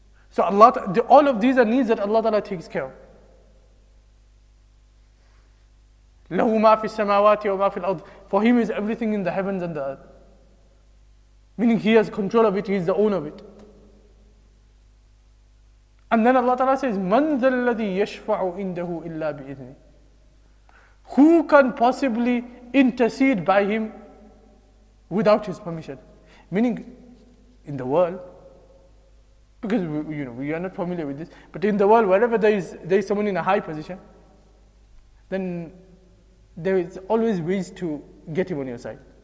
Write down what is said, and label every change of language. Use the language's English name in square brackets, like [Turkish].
[English] So all of these are needs that Allah Ta'ala takes care of. [Arabic] لَهُ مَا فِي السَّمَاوَاتِ وَمَا فِي الْأَرْضِ. [English] For Him is everything in the heavens and the earth. Meaning He has control of it, He is the owner of it. And then Allah Ta'ala says, [Arabic] مَنْ ذَا الَّذِي يَشْفَعُ إِنْدَهُ إِلَّا بِإِذْنِي. [English] Who can possibly intercede by Him without His permission? Meaning, in the world, because we are not familiar with this, but in the world, wherever there is someone in a high position, then there is always ways to get him on your side.